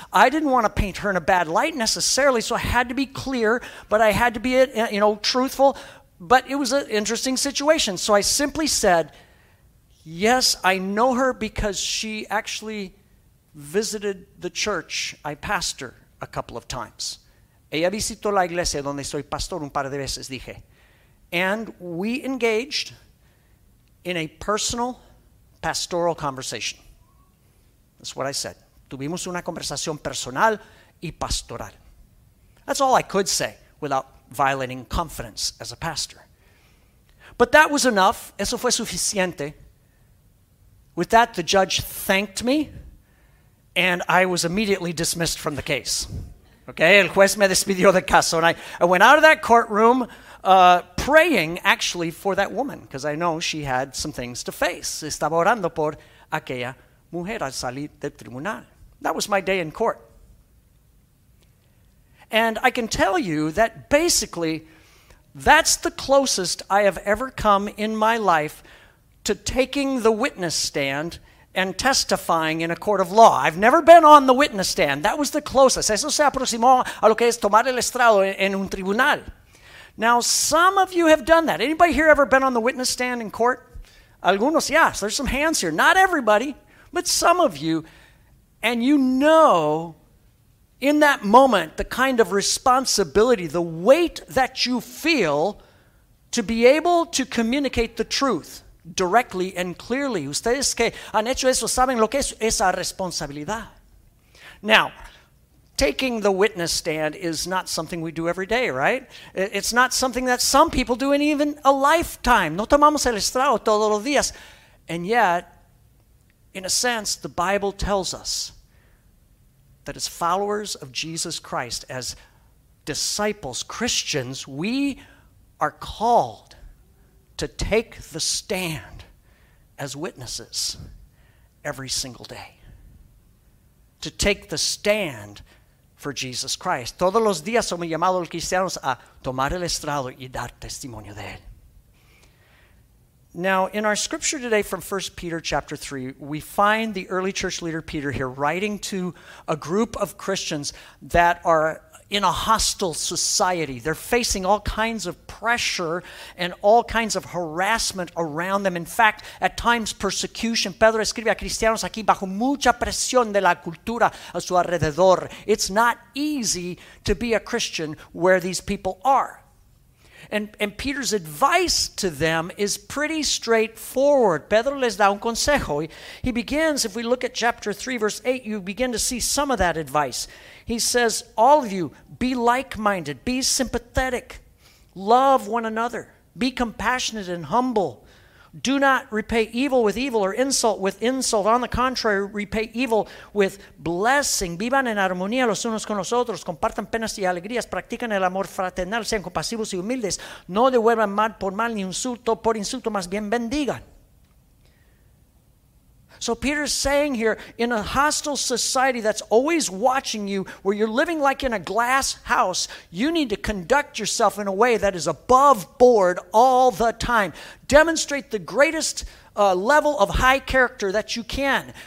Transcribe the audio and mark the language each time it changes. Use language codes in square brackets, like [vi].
[en] I didn't want to paint her in a bad light necessarily, so I had to be clear, but I had to be, you know, truthful. But it was an interesting situation. So I simply said, yes, I know her because she actually visited the church I pastor a couple of times. [es] Ella visitó la iglesia donde soy pastor un par de veces, dije. [en] And we engaged in a personal pastoral conversation. That's what I said. [es] Tuvimos una conversación personal y pastoral. [en] That's all I could say without violating confidence as a pastor. But that was enough. [es] Eso fue suficiente. [en] With that, the judge thanked me, and I was immediately dismissed from the case. Okay, [es] el juez me despidió del caso, [en] and I went out of that courtroom praying, actually, for that woman, because I know she had some things to face. [es] Estaba orando por aquella mujer al salir del tribunal. [en] That was my day in court. And I can tell you that, basically, that's the closest I have ever come in my life to taking the witness stand and testifying in a court of law. I've never been on the witness stand. That was the closest. [es] Eso se aproximó a lo que es tomar el estrado en un tribunal. [en] Now, some of you have done that. Anybody here ever been on the witness stand in court? [es] Algunos, [en] yes. There's some hands here. Not everybody, but some of you. And you know, in that moment, the kind of responsibility, the weight that you feel to be able to communicate the truth directly and clearly. [es] Ustedes que han hecho eso saben lo que es esa responsabilidad. Now, [en] taking the witness stand is not something we do every day, right? It's not something that some people do in even a lifetime. [es] No tomamos el estrado todos los días. [en] And yet, in a sense, the Bible tells us that as followers of Jesus Christ, as disciples, Christians, we are called to take the stand as witnesses every single day. To take the stand for Jesus Christ. [es] Todos los días somos llamados los cristianos a tomar el estrado y dar testimonio de él. [en] Now, in our scripture today from 1 Peter chapter 3, we find the early church leader Peter here writing to a group of Christians that are in a hostile society. They're facing all kinds of pressure and all kinds of harassment around them. In fact, at times persecution. [es] Pedro escribe a cristianos aquí bajo mucha presión de la cultura a su alrededor. [en] It's not easy to be a Christian where these people are. And Peter's advice to them is pretty straightforward. [es] Pedro les da un consejo. [en] He begins, if we look at chapter 3, verse 8, you begin to see some of that advice. He says, all of you, be like-minded, be sympathetic, love one another, be compassionate and humble. Do not repay evil with evil or insult with insult. On the contrary, repay evil with blessing. [es] Vivan en armonía los unos con los otros. Compartan penas y alegrías. Practican el amor fraternal. Sean compasivos y humildes. No devuelvan mal por mal ni insulto por insulto. Más bien bendigan. [en] So Peter's saying here, in a hostile society that's always watching you, where you're living like in a glass house, you need to conduct yourself in a way that is above board all the time. Demonstrate the greatest level of high character that you can.